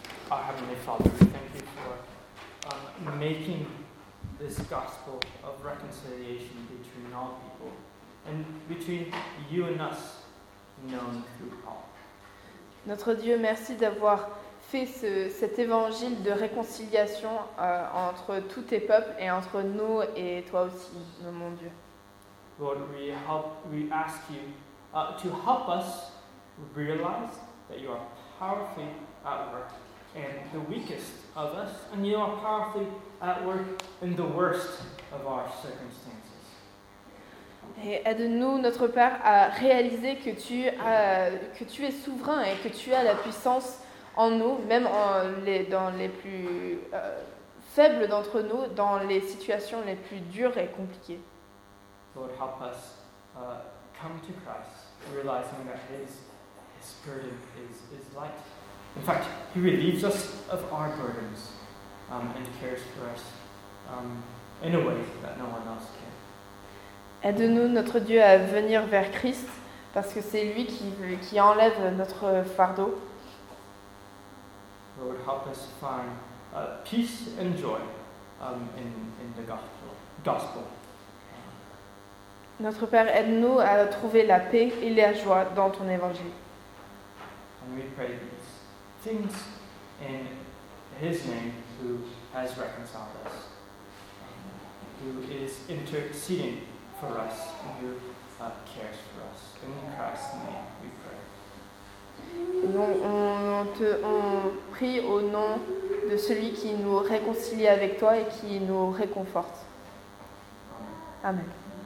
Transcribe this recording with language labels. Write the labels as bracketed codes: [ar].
[en] Our Heavenly Father, thank you for making this gospel of reconciliation between all people and between you and us known through Paul. [fr] Notre Dieu, merci d'avoir fait cet évangile de réconciliation entre tous tes peuples et entre nous et toi aussi, mon Dieu. [en] Lord, we ask you to help us realize that you are powerfully at work in the weakest of us, and you are powerfully at work in the worst of our circumstances. [fr] Et aide-nous, notre Père, à réaliser que tu es souverain et que tu as la puissance en nous, même dans les plus faibles d'entre nous, dans les situations les plus dures et compliquées. [en] Lord, help us come to Christ, realizing that his burden is light. In fact, he relieves us of our burdens and cares for us in a way that no one else can. [fr] Aide-nous, notre Dieu, à venir vers Christ, parce que c'est lui qui enlève notre fardeau. [en] Lord, help us find peace and joy in the gospel. [fr] Notre Père, aide-nous à trouver la paix et la joie dans ton évangile. [en] Amen. And we pray these things in his name, who has reconciled us, who is interceding for us, and who cares for us. In Christ's name we pray. [fr] Donc on prie au nom de celui qui nous réconcilie avec toi et qui nous réconforte. Amen.